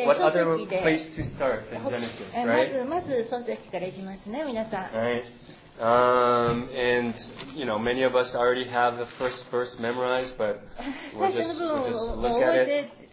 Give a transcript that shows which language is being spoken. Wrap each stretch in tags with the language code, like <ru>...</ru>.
<en>What other place to start than Genesis, right?</en> <ja>まず創世記からいきますね、皆さん。</ja> <en>All right. And you know, many of us already have the first verse memorized, but we'll just look at it.</en>